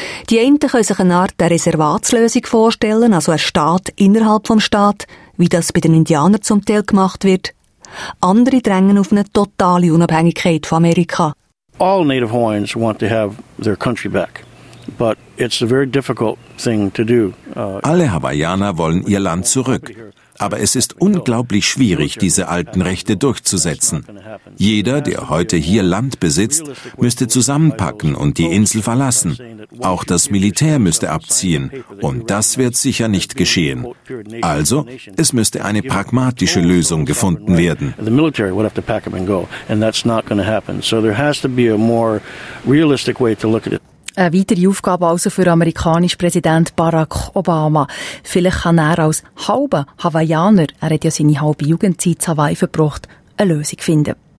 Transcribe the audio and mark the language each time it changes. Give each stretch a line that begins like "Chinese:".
German: Die einen können sich eine Art der Reservatslösung vorstellen, also ein Staat innerhalb vom Staat, wie das bei den Indianern zum Teil gemacht wird. Andere drängen auf eine totale Unabhängigkeit von Amerika.
English: All Native Hawaiians want to have their country back, but it's a very difficult thing to do.
German: Alle Hawaiianer wollen ihr Land zurück, aber es ist unglaublich schwierig, diese alten Rechte durchzusetzen. Jeder, der heute hier Land besitzt, müsste zusammenpacken und die Insel verlassen. Auch das Militär müsste abziehen, und das wird sicher nicht geschehen. Also, es müsste eine pragmatische Lösung gefunden werden.
English: The military would have to pack up and go, and that's not going to happen. So there has to be a more realistic way to look at it.
German: Eine weitere Aufgabe also für amerikanischen Präsident Barack Obama. Vielleicht kann er als halber Hawaiianer, er hat ja seine halbe Jugendzeit in Hawaii verbracht, eine Lösung finden.